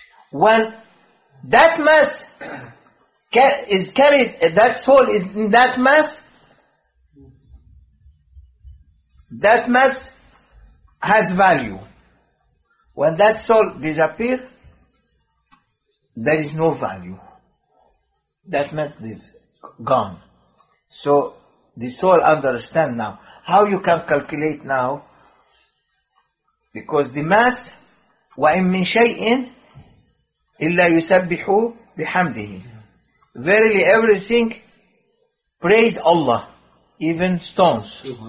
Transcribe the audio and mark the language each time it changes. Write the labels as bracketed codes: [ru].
[en] When that mass is carried, that soul is in that mass has value. When that soul disappears, there is no value. That means this gone. So the soul understand now. How you can calculate now? Because the mass, [ar] وَإِن مِّن شَيْءٍ إِلَّا يُسَبِّحُ بِحَمْدِهِ. [en] Verily everything praise Allah, even stones.